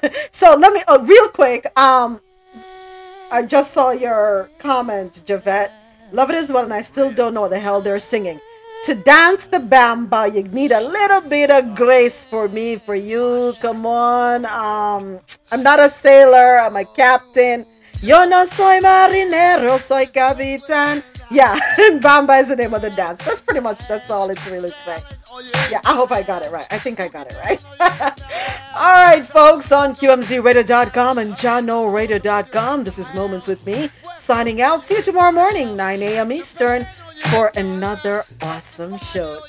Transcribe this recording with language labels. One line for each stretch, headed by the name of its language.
English: So let me, real quick, I just saw your comment, Javette. Love it as well, and I still don't know what the hell they're singing. To dance the bamba, you need a little bit of grace for me, for you. Come on. I'm not a sailor. I'm a captain.
Spanish: Yo no soy marinero, soy capitán.
English: Yeah, bamba is the name of the dance. That's pretty much, that's all it's really saying. Yeah, I hope I got it right. I think I got it right. All right, folks, on QMZRadio.com and JohnNoRadio.com, this is Moments with Me, signing out. See you tomorrow morning, 9 a.m. Eastern, for another awesome show.